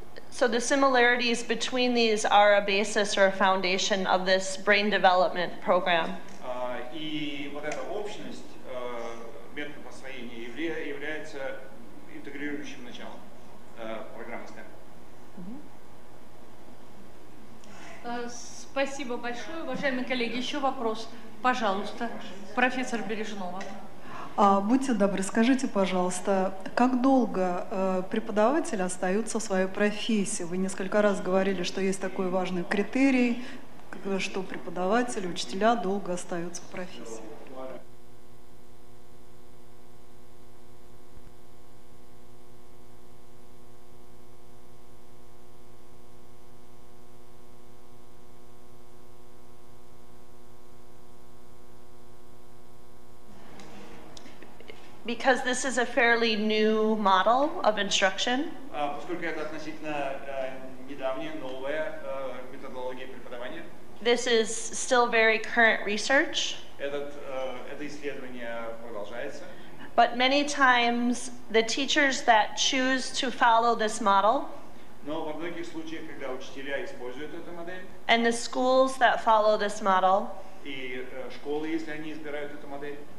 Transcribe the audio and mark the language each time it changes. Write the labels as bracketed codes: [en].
[en] So the similarities between these are a basis or a foundation of this brain development program. [ru] И вот эта общность методов освоения является интегрирующим началом программы STEM. Спасибо большое. Уважаемые коллеги, еще вопрос. Пожалуйста, профессор Бережнова. Будьте добры, скажите, пожалуйста, как долго преподаватели остаются в своей профессии? Вы несколько раз говорили, что есть такой важный критерий, что преподаватели, учителя долго остаются в профессии. [en] Because this is a fairly new model of instruction. [ru] Поскольку это относительно недавняя, новая методология преподавания. [en] This is still very current research. [ru] Это исследование продолжается. [en] But many times the teachers that choose to follow this model. [ru] Но во многих случаях, когда учителя используют эту модель. [en] And the schools that follow this model. [ru] И школы, если они избирают эту модель.